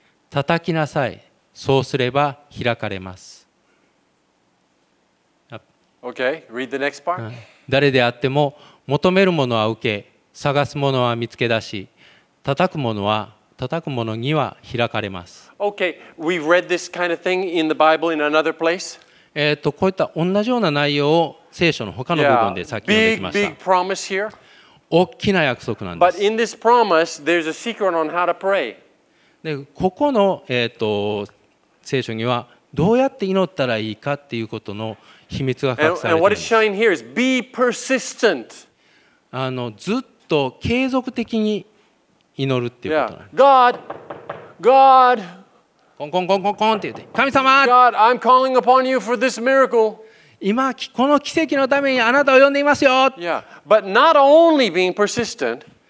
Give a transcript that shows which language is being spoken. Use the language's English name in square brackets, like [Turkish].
[Japanese] 叩きなさい、そうすれば開かれます。 [English] Okay, read the next part. [Japanese] 誰であっても求めるものは受け、探すものは見つけ出し、叩くものには開かれます。 [English] Okay, we've read this kind of thing in the Bible in another place. [Japanese] こういった同じような内容を聖書の他の部分でさっき読んできました。 [English] Yeah, big promise here. [Japanese] 大きな約束なんです。 [English] But in this promise, there's a secret on how to pray. [Japanese] で、ここの聖書にはどうやって祈ったらいいかっていうことの秘密が隠されています。 [English] And what is shining here is be persistent. [Japanese] ずっと継続的に祈るっていうことなんです。 [English] Yeah. God. God, [Japanese] コンコンコンコンコンって言って、神様。 [English] God, I'm calling upon you for this miracle. [Japanese] 今この奇跡のためにあなたを呼んでいますよ。 [English] Yeah, but not only being persistent.